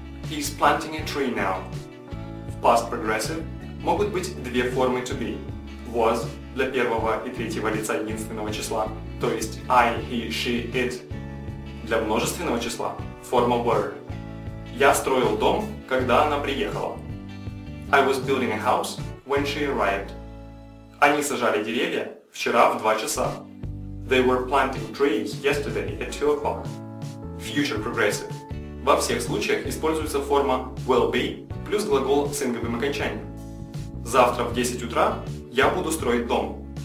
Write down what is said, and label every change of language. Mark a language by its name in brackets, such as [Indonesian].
[English] He's planting a tree now. [Russian] В past progressive могут быть две формы to be. Was для первого и третьего лица единственного числа, то есть I, he, she, it. Для множественного числа форма were. Я строил дом, когда она приехала. [English] I was building a house when she arrived. [Russian] Они сажали деревья вчера в 2 часа. [English] They were planting trees yesterday at 2 o'clock. Future progressive. [Russian] Во всех случаях используется форма will be плюс глагол с инговым окончанием. Завтра в 10 утра я буду строить дом.